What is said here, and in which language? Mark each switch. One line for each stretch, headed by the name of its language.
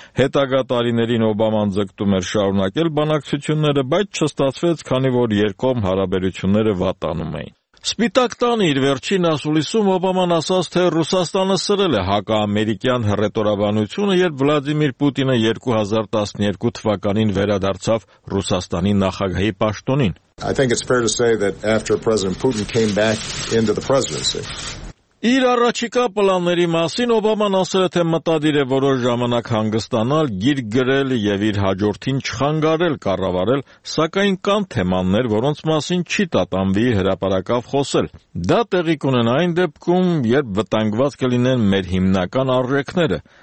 Armenian: հետագա տարիներին Օբաման ձգտում էր շարունակել բանակցությունները, բայց չստացվեց, քանի որ երկկողմ հարաբերությունները վատանում էին։ Սպիտակ տան իր վերջին ասուլիսում Օբաման ասաց, թե Ռուսաստանը սրել է հակաամերիկյան հռետորաբանությունը, երբ Վլադիմիր Պուտինը 2012 թվականին վերադարձավ Ռուսաստանի նախագահի պաշտոնին։
English: I think it's fair to say that after President Putin came back into the presidency.
Armenian: Իր առաջիկա պլանների մասին Օբաման ասել է, թե մտադիր է որոշ ժամանակ հանգստանալ, գիր գրել և իր հաջորդին չխանգարել կառավարել, սակայն կան թեմաներ, որոնց մասին չի տատանվի հրապարակավ խոսել։ Դա տեղի կունենա այն դեպքում, երբ վտանգված կլինեն մեր հիմնական արժեքները,